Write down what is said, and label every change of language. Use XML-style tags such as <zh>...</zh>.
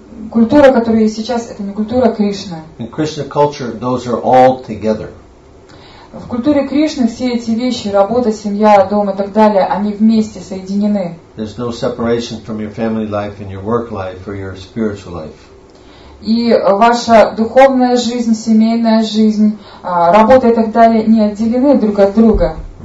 <ru>Культура, которая есть сейчас, это не культура Кришны.</ru> <en>In Krishna culture, those are all together.</en> <ru>В культуре Кришны все эти вещи, работа, семья, дом и так далее, они вместе соединены.</ru> <en>There's no separation from your family life and your work life or your spiritual life.</en> <ru>И ваша духовная жизнь, семейная жизнь, работа и так далее не отделены друг от друга.</ru>